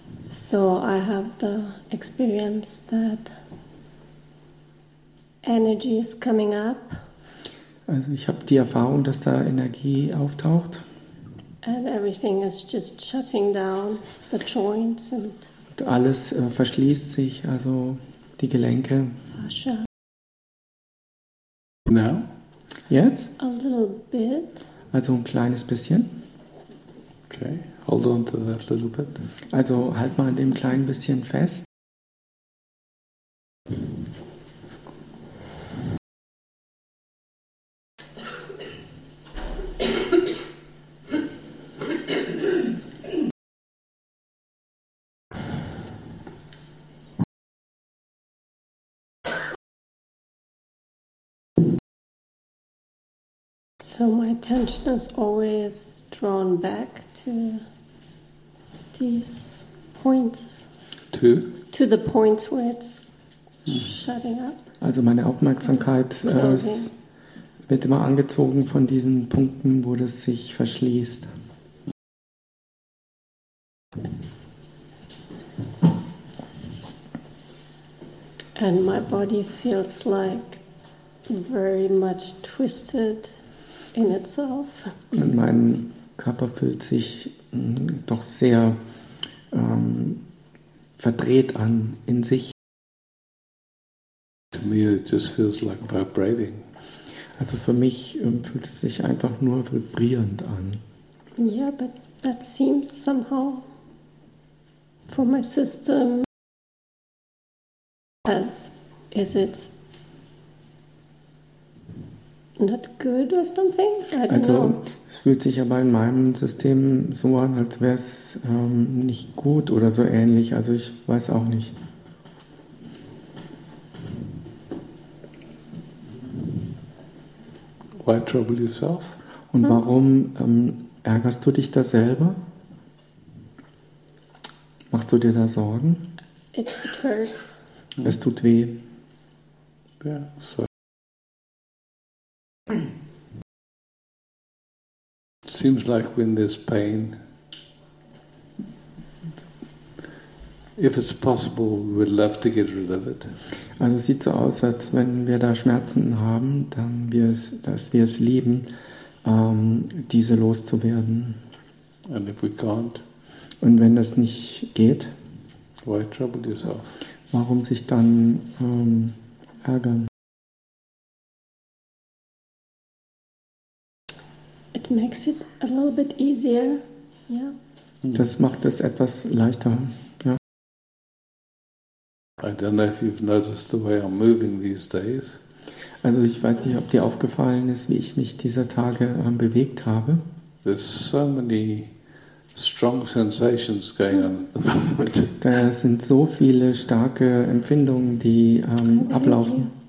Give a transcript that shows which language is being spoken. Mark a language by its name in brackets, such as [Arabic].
[English] So I have the experience that energy is coming up. [German] Also ich habe die Erfahrung, dass da Energie auftaucht. [English] And everything is just shutting down, the joints and. [German] Und alles verschließt sich, also die Gelenke. [English] Fascia. Now? [German] Jetzt? [English] A little bit. [German] Also ein kleines bisschen. [English] Okay, hold on to that little bit. [German] Also halt mal an dem kleinen bisschen fest. [English] So my attention is always drawn back to these points. To? To the points where it's shutting up. [German] Also meine Aufmerksamkeit wird immer angezogen von diesen Punkten, wo das sich verschließt. [English] And my body feels like very much twisted. In itself. [German] Und mein Körper fühlt sich doch sehr verdreht an in sich. [English] To me it just feels like vibrating. [German] Also für mich fühlt es sich einfach nur vibrierend an. [English] Yeah, but that seems somehow for my system as is it. Not good or something? [German] Also, es fühlt sich aber in meinem System so an, als wäre es nicht gut oder so ähnlich. Also, ich weiß auch nicht. [English] Why trouble yourself? [German] Und warum ärgerst du dich da selber? Machst du dir da Sorgen? [English] It hurts. [German] Es tut weh. [English] Yeah, sorry. Seems like when there's pain, if it's possible, we would love to get rid of it. [German] Also es sieht so aus, als wenn wir da Schmerzen haben, dann dass wir es lieben, diese loszuwerden. [English] And if we can't, [German] und wenn das nicht geht, [English] why trouble yourself? [German] Warum sich dann ärgern? [English] Makes it a little bit easier, yeah. [German] Das macht es etwas leichter, ja. [English] I don't know if you've noticed the way I'm moving these days. [German] Also ich weiß nicht, ob dir aufgefallen ist, wie ich mich dieser Tage bewegt habe. [English] There's so many strong sensations going on at the moment. [German] Da sind so viele starke Empfindungen, die ablaufen.